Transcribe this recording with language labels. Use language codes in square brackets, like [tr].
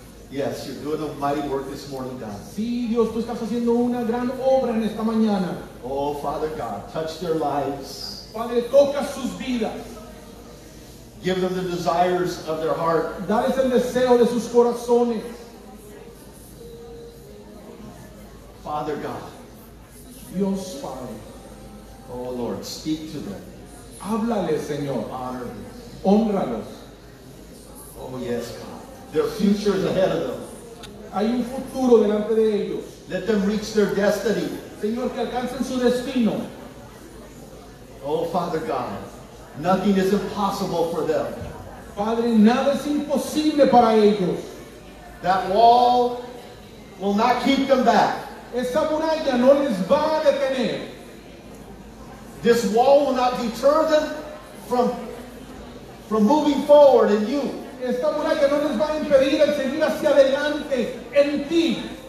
[en] Yes, you're doing a mighty work this morning, God. [es] Sí, Dios, tú estás haciendo una gran obra en esta mañana. [en] Oh, Father God, touch their lives. [es] Padre, toca sus vidas. [en] Give them the desires of their heart. [es] Dales el deseo de sus corazones. [en] Father God. [es] Dios, Padre. [en] Oh, Lord, speak to them. [es] Háblales, Señor. Honorables. Honralos. [en] Oh, yes, God. Their future is ahead of them. [es] Hay un futuro delante de ellos. [en] Let them reach their destiny. [es] Señor, que alcancen su destino. [en] Oh, Father God, nothing is impossible for them. [es] Padre, nada es imposible para ellos. [en] That wall will not keep them back. [es] Esa muralla no les va a detener. [en] This wall will not deter them from moving forward in you. [es] Esta muralla no les va a impedir el seguir hacia adelante en ti.